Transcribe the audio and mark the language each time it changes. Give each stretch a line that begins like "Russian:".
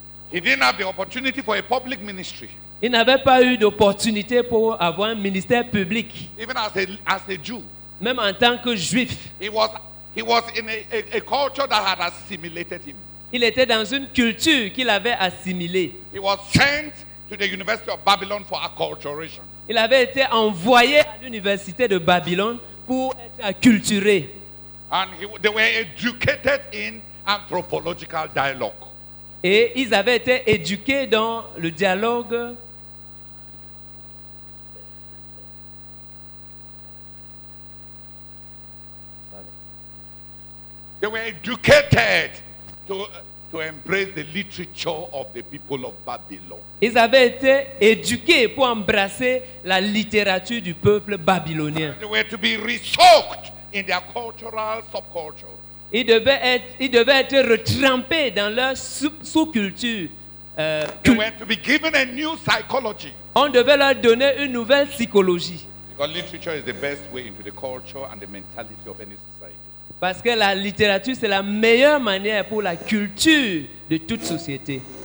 English: He didn't have the opportunity for a public ministry.
French: Il n'avait pas eu d'opportunité pour avoir un ministère public.
English: Even as a Jew,
French: même en tant que juif.
English: He was in a culture that had assimilated him.
French: Il était dans une culture qu'il avait assimilée.
English: He was sent to the University of Babylon for acculturation.
French: Il avait été envoyé à l'université de Babylone pour être acculturé.
English: And they were educated in anthropological dialogue.
French: Et ils avaient été éduqués dans le dialogue.
English: They were educated to embrace the literature of the people of Babylon.
French: Ils avaient été éduqués pour embrasser la littérature du peuple babylonien.
English: And they were to be re-soaked in their cultural subculture.
French: Ils devaient être retrempés dans leur sous-culture.
English: They were to be given a new psychology.
French: On devait leur donner une nouvelle psychologie.
English: Because literature is the best way into the culture and the mentality of any society.
French: Parce que la littérature, c'est la meilleure manière pour la culture de toute société.